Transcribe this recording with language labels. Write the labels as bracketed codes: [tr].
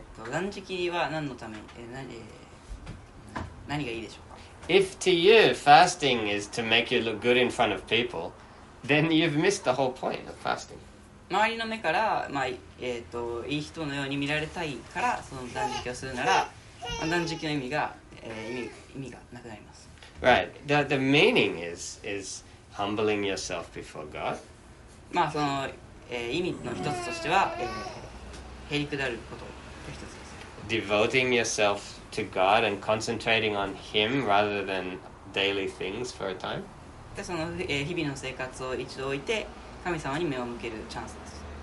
[ja] 断食は何のために、何がいいでしょうか。 [en] If to you fasting is to make you look good in front of people, then you've missed the whole point of fasting. [ja] 周りの目から、まあ、いい人のように見られたいからその断食をするなら、まあ、断食の意味がなくなります。 [en] Right. The meaning is humbling yourself before God. [ja] まあその、意味の一つとしては、へりくだることの一つです。 [en] Devoting yourself. To God and concentrating on Him rather than daily things for a time. [ja] でその、日々の生活を一度置いて神様に目を向けるチャンスです。